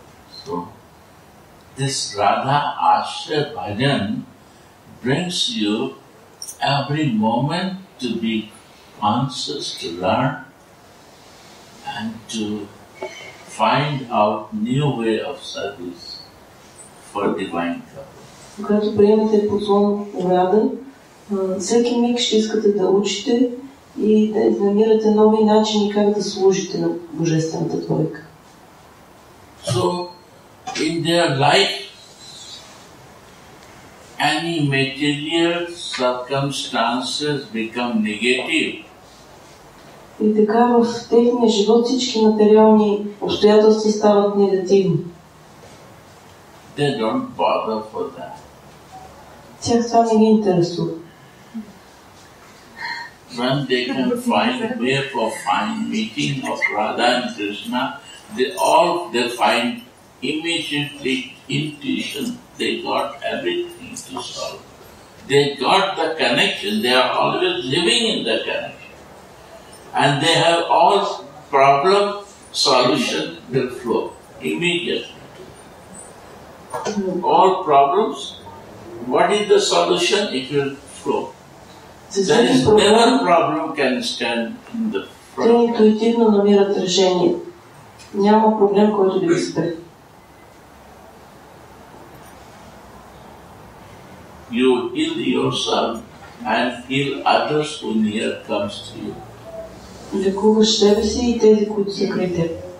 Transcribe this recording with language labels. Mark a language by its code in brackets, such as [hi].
[en] So, this Radha Ashraya Bhajan brings you every moment to be conscious, to learn and to find out new way of service for divine purpose. [bg] Когато приемате послон Радха, всеки миг ще искате да учите и да намирате нови начини как да служите на Божествената Тройка. [en] So, in their life, any material circumstances become negative. [bg] И така в техния живот всички материални обстоятелства стават негативни. [en] They don't bother for that. [bg] Тях това не ги интересува. [en] When they can find way for fine meeting of Radha and Krishna, they find immediately intuition, they got everything to solve. They got the connection, they are always living in the connection. And they have all problem, solution will flow immediately. All problems, what is the solution? It will flow. There is never problem can stand in the front. [bg] Те интуитивно намират решение. Няма проблем, който да ви спре. [en] You heal yourself and heal others who near comes to you. [bg] Лекуваш себе си и тези, които са край теб.